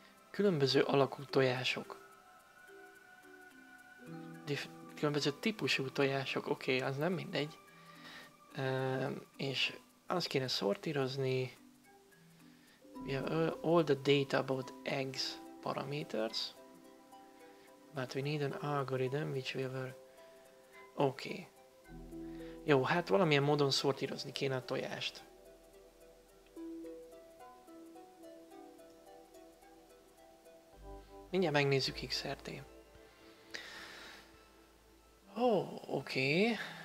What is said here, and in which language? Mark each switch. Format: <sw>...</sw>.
<hu>Különböző alakú tojások. Különböző típusú tojások. Oké, az nem mindegy. És azt kéne szortírozni.</hu> <en>Yeah, all the data about eggs parameters, but we need an algorithm which will work.</en> <hu>Oké. Jó, hát valamilyen módon szortírozni kéne a tojást. Mindjárt megnézzük XRT. Oké.</hu>